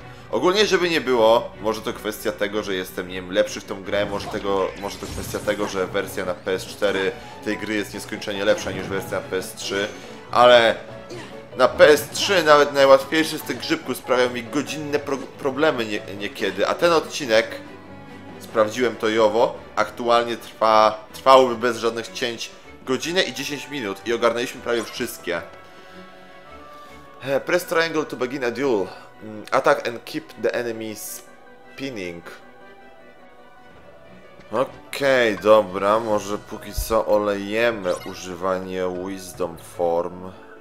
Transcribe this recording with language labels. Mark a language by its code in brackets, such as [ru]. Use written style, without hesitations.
[pl] Ogólnie, żeby nie było, może to kwestia tego, że jestem, nie wiem, lepszy w tą grę, może to kwestia tego, że wersja na PS4 tej gry jest nieskończenie lepsza niż wersja na PS3, ale na PS3 nawet najłatwiejszy z tych grzybków sprawiał mi godzinne problemy niekiedy, a ten odcinek, sprawdziłem to i owo, aktualnie trwałby bez żadnych cięć godzinę i 10 minut i ogarnęliśmy prawie wszystkie. [en] Press triangle to begin a duel. Attack and keep the enemy spinning. [pl] Okej, dobra, może póki co olejemy używanie wisdom form.